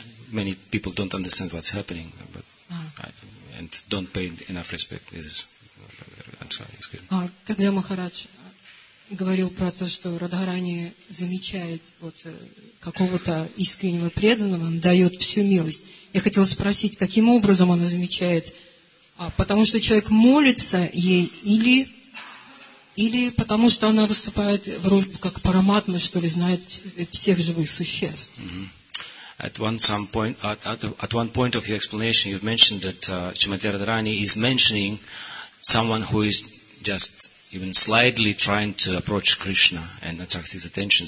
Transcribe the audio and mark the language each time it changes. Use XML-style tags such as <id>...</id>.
<en>Many people don't understand what's happening, but and don't pay enough respect. I'm sorry, excuse me.</en> <ru>Когда Махарадж говорил про то, что Радхарани замечает вот какого-то искреннего преданного, он дает всю милость. Я хотела спросить, каким образом она замечает? Потому что человек молится ей или потому что она выступает в роль как параматма, что ли, знает всех живых существ?</ru> <en>At one point of your explanation, you've mentioned that Shrimati Radharani is mentioning someone who is just even slightly trying to approach Krishna and attract his attention.</en>